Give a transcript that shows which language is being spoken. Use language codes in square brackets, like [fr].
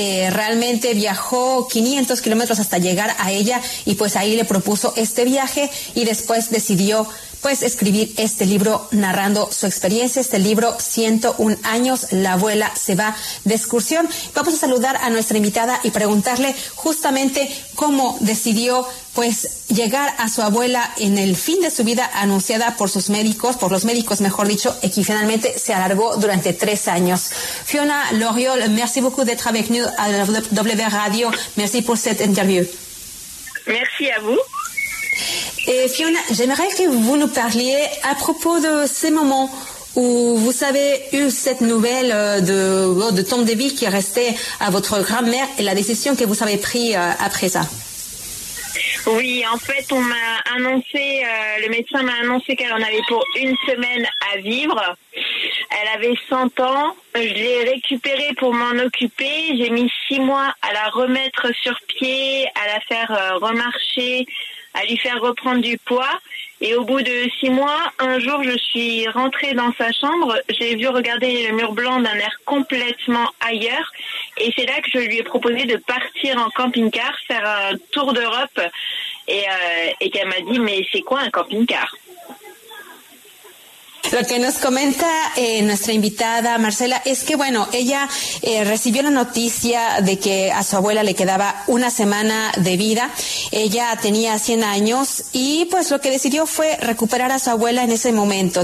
[es] Realmente viajó 500 kilómetros hasta llegar a ella y pues ahí le propuso este viaje y después decidió pues escribir este libro narrando su experiencia, este libro 101 años, La abuela se va de excursión. Vamos a saludar a nuestra invitada y preguntarle justamente cómo decidió pues llegar a su abuela en el fin de su vida anunciada por sus médicos, por los médicos mejor dicho, y que finalmente se alargó durante 3 años. [fr] Fiona Loriol, merci beaucoup d'être avec nous à W Radio, merci pour cette interview. Merci à vous. Fiona, j'aimerais que vous nous parliez à propos de ces moments où vous avez eu cette nouvelle de temps de vie qui restait à votre grand-mère et la décision que vous avez prise après ça. Oui, en fait, on m'a annoncé, le médecin m'a annoncé qu'elle en avait pour une semaine à vivre. Elle avait 100 ans. Je l'ai récupérée pour m'en occuper. J'ai mis 6 mois à la remettre sur pied, à la faire remarcher, à lui faire reprendre du poids. Et au bout de 6 mois, un jour, je suis rentrée dans sa chambre. J'ai vu regarder le mur blanc d'un air complètement ailleurs. Et c'est là que je lui ai proposé de partir en camping-car, faire un tour d'Europe. Et qu'elle m'a dit, mais c'est quoi un camping-car ? [es] Lo que nos comenta nuestra invitada Marcela es que, bueno, ella recibió la noticia de que a su abuela le quedaba una semana de vida. Ella tenía 100 años y pues lo que decidió fue recuperar a su abuela en ese momento.